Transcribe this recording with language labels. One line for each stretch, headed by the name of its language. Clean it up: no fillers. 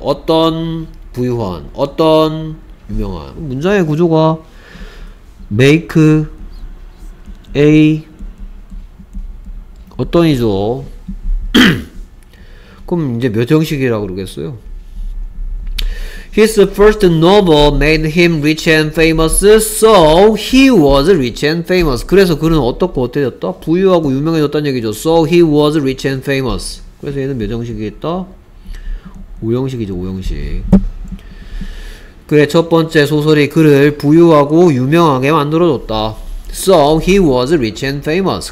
Korean: 어떤 부유한, 어떤 유명한. 문장의 구조가 make a 어떤이죠. 그럼 이제 몇 형식이라고 그러겠어요?
English: His first novel made him rich and famous, so he was rich and famous.
Korean: 그래서 그는 어떻고 어때졌다? 부유하고 유명해졌다는 얘기죠.
English: So he was rich and famous.
Korean: 그래서 얘는 몇 형식이겠다? 5형식이죠, 5형식. 그의 첫 번째 소설이 그를 부유하고 유명하게 만들어줬다.
English: So he was rich and famous.